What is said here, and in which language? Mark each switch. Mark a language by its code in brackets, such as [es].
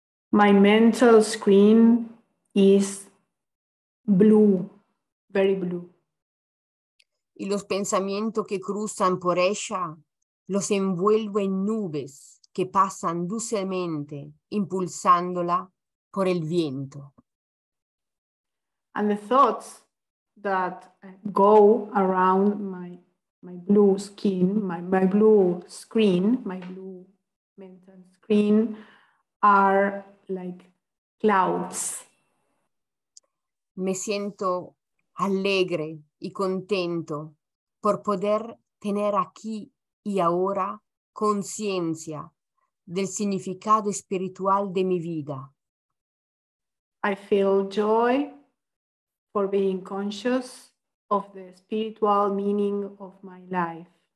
[en] My mental screen is blue, very blue. [es] Y los pensamientos que cruzan por ella los envuelvo en nubes que pasan dulcemente impulsándola por el viento. [en] And the thoughts that go around my blue skin, my blue screen, my blue mental screen are like clouds. [es] Me siento alegre y contento por poder tener aquí y ahora conciencia del significado espiritual de mi vida. [en] I feel joy for being conscious of the spiritual meaning of my life.